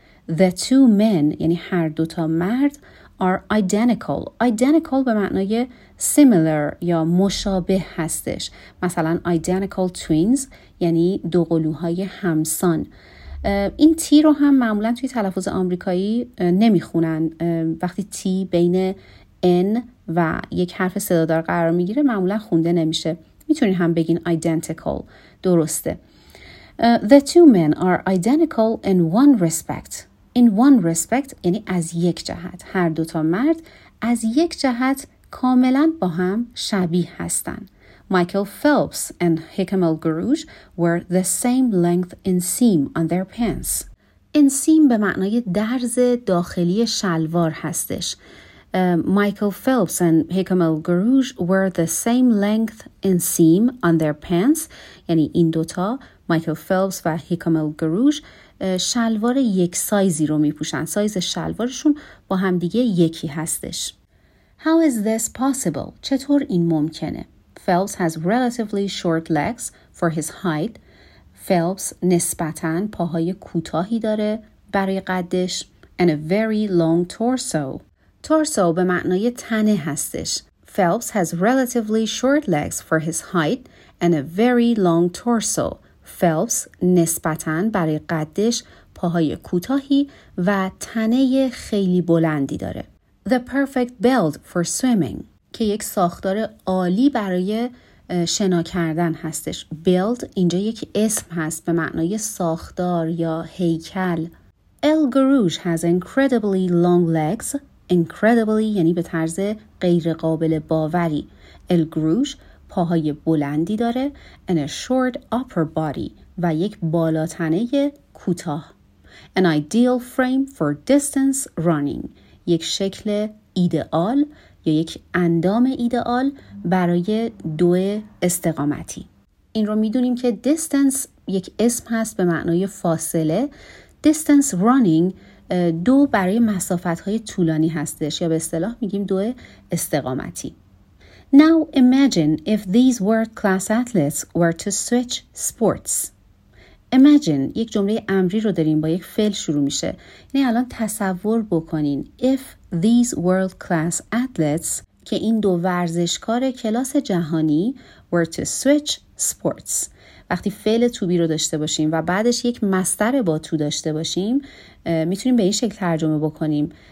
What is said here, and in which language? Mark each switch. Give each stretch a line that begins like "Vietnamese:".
English: The two men
Persian: یعنی هر دوتا مرد
English: are identical.
Persian: identical به معنای similar یا مشابه هستش، مثلا identical twins یعنی دو قلوهای همسان. این تی رو هم معمولا توی تلفظ آمریکایی نمیخونن، وقتی تی بین ان و یک حرف صدادار قرار میگیره معمولا خونده نمیشه، میتونین هم بگین identical، درسته.
English: The two men are identical in one respect.
Persian: In one respect یعنی از یک جهت، هر دوتا مرد از یک جهت کاملا با هم شبیه هستن.
English: Michael Phelps and Hickam El-Guruj were the same length in seam on their pants.
Persian: In seam به معنای درز داخلی شلوار هستش.
English: Michael Phelps and Hickam El-Guruj were the same length in seam on their pants.
Persian: یعنی این دوتا، Michael Phelps و Hickam El-Guruj، شلوار یک سایزی رو میپوشن. سایز شلوارشون با هم دیگه یکی هستش.
English: How is this possible؟
Persian: چطور این ممکنه؟
English: Phelps has relatively short legs for his height.
Persian: Phelps نسبتاً پاهای کوتاهی داره برای قدش.
English: And a very long torso.
Persian: Torso به معنای تنه هستش.
English: Phelps has relatively short legs for his height and a very long torso.
Persian: Phelps نسبتاً برای قدش پاهای کوتاهی و تنه خیلی بلندی داره.
English: The perfect build for swimming.
Persian: که یک ساختار عالی برای شنا کردن هستش. Build اینجا یک اسم هست به معنای ساختار یا هیکل.
English: El-Guruj has incredibly long legs.
Persian: Incredibly یعنی به طرز غیر قابل باوری. El-Guruj پاهای بلندی داره.
English: And a short upper body
Persian: و یک بالاتنه کوتاه.
English: An ideal frame for distance running.
Persian: یک شکل ایدئال یا یک اندام ایدئال برای دو استقامتی. این رو میدونیم که distance یک اسم هست به معنای فاصله. Distance running دو برای مسافت‌های طولانی هستش، یا به اصطلاح میگیم دو استقامتی.
English: Now imagine if these world class athletes were to switch sports.
Persian: Imagine یک جمله امری رو داریم با یک فعل شروع میشه. یعنی الان تصور بکنین
English: if these world class athletes
Persian: که این دو ورزشکار کلاس جهانی
English: were to switch sports.
Persian: وقتی فعل to be رو داشته باشیم و بعدش یک مصدر با to داشته باشیم میتونیم به این شکل ترجمه بکنیم.